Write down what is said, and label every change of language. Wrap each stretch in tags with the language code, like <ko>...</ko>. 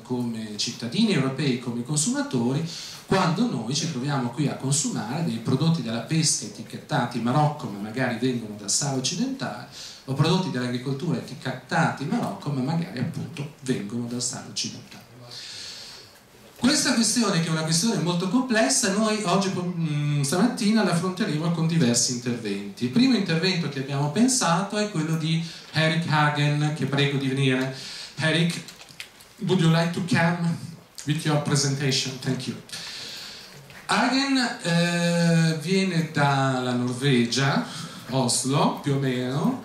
<it>Come cittadini europei, come consumatori, quando noi ci troviamo qui a consumare dei prodotti della pesca etichettati in Marocco, ma magari vengono dal Sahara occidentale, o prodotti dell'agricoltura etichettati in Marocco, ma magari appunto vengono dal Sahara occidentale. Questa questione, che è una questione molto complessa, noi oggi, stamattina, la affronteremo con diversi interventi. Il primo intervento che abbiamo pensato è quello di Eric Hagen, che prego di venire.</it> <en>Eric, would you like to come with your presentation? Thank you.</en> <it>Hagen viene dalla Norvegia, Oslo, più o meno.</it>